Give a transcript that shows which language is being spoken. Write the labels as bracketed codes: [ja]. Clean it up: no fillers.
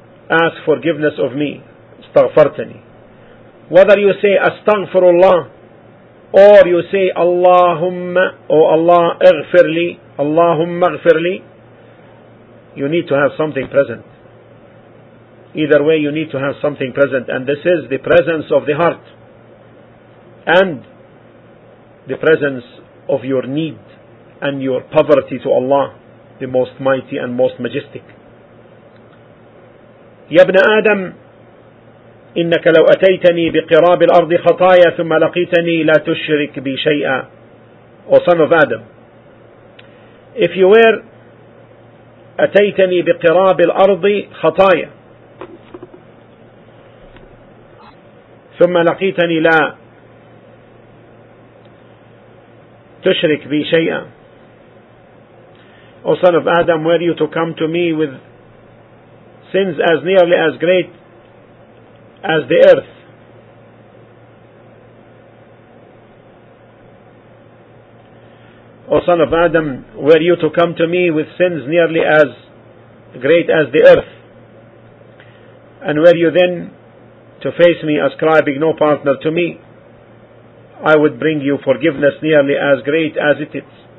[en] Ask forgiveness of me. Astaghfartani. Whether you say Astaghfirullah, or you say Allahumma, O Allah, اغفرلي, Allahumma اغفرلي, you need to have something present. Either way, you need to have something present, and this is the presence of the heart and the presence of your need and your poverty to Allah, the Most Mighty and Most Majestic. [ar] يا ابن آدم إنك لو أتيتني بقراب الأرض خطايا ثم لقيتني لا تشرك بي شيئا. [en] O son of Adam, if you were [ar] أتيتني بقراب الأرض خطايا ثم لقيتني لا تشرك بي شيئا. [en] O son of Adam, were you to come to me with sins as nearly as great as the earth, O son of Adam, were you to come to me with sins nearly as great as the earth, and were you then to face me ascribing no partner to me, I would bring you forgiveness nearly as great as it is.